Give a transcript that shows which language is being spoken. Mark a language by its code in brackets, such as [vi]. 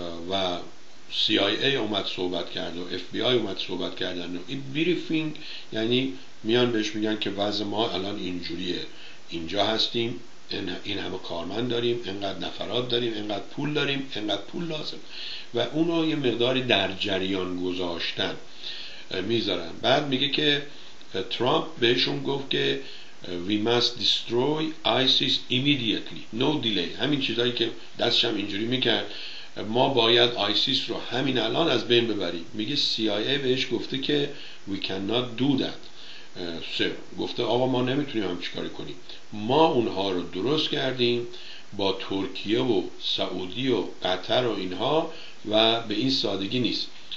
[fa] و CIA اومد صحبت کرد و FBI اومد صحبت کردن، این بریفینگ، یعنی میان بهش میگن که وضع ما الان اینجوریه، اینجا هستیم، این همه کارمند داریم، اینقدر نفرات داریم، اینقدر پول داریم، اینقدر پول لازم، و اونا یه مقداری در جریان گذاشتن میذارن. بعد میگه که ترامپ بهشون گفت که [en] We must destroy ISIS immediately, no delay. [fa] همین چیزایی که دستشم اینجوری میکرد، ما باید ISIS رو همین الان از بین ببریم. میگه CIA بهش گفته که [en] We cannot do that. [fa] گفته آقا ما نمیتونیم همچی کاری کنیم، ما اونها رو درست کردیم با ترکیه و سعودی و قطر و اینها، و به این سادگی نیست.